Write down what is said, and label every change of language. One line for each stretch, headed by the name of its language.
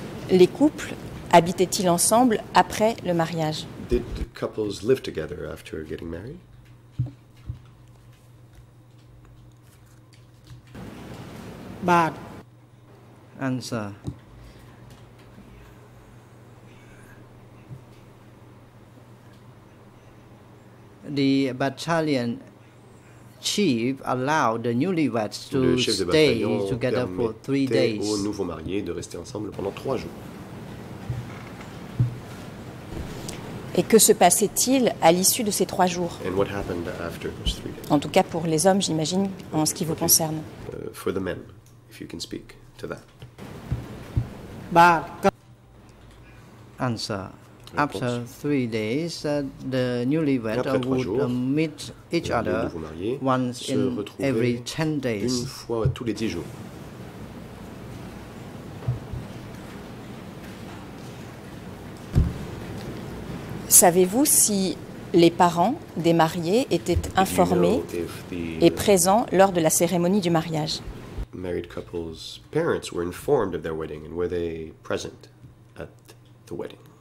French: Les couples habitaient-ils ensemble après le mariage?
English: Did the couples live together after getting married? Bad. Answer. The battalion chief allowed the newlyweds to stay together for 3 days.
French: Aux nouveaux mariés de rester ensemble pendant 3 jours. Et que se passait-il à l'issue de ces 3 jours?
English: And what happened after those 3 days?
French: En tout cas pour les hommes, j'imagine, en ce qui vous concerne.
English: For the men, if you can speak to that. Answer. After 3 days, the newlyweds would meet each other once in every 10 days.
French: Une fois tous les 10 jours. Savez-vous si les parents des mariés étaient informés et présents lors de la cérémonie du mariage?
English: Married couples' parents were informed of their wedding and were they present at the wedding?